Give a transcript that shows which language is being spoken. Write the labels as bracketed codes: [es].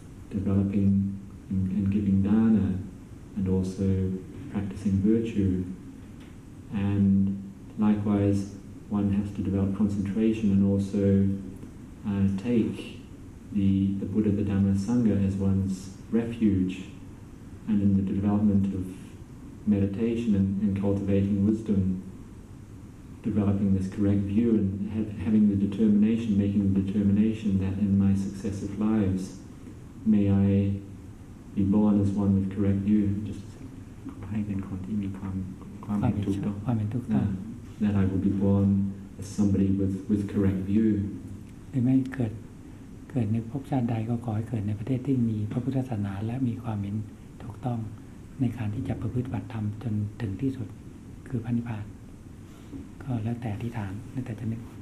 [en] developing and giving dana and also practicing virtue and likewise one has to develop concentration and also take the Buddha the Dhamma Sangha as one's refuge and in the development of meditation and cultivating wisdom developing this correct view and having the determination making the determination that in my successive lives may I be born as one with correct view just [th] ให้เป็นคนที่มีความเป็นถูกต้อง [en] That I will be born as somebody with correct view. [th] หรือไม่เกิดในภพชาติใดก็ขอให้เกิดในประเทศที่มีพระพุทธศาสนาและมีความเห็นถูกต้องในการที่จะประพฤติปฏิบัติธรรมจนถึงที่สุดคือพระนิพพานก็แล้วแต่อธิษฐานแล้วแต่จะนึก